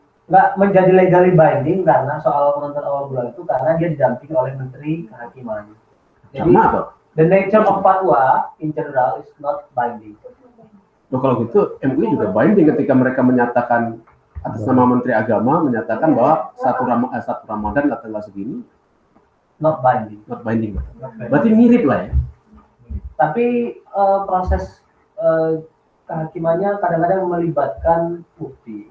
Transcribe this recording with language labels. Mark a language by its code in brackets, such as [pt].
[id] Enggak menjadi legally binding karena soal penentuan awal bulan itu karena dia didampingi oleh Menteri Kehakiman. [en] Jadi, the nature of fatwa in general is not binding. [id] Nah, kalau gitu MUI juga binding ketika mereka menyatakan atas nama Menteri Agama menyatakan bahwa satu Ramadan atau tanggal segini [en] not binding. [id] Berarti mirip lah ya. Tapi proses kehakimannya kadang-kadang melibatkan bukti.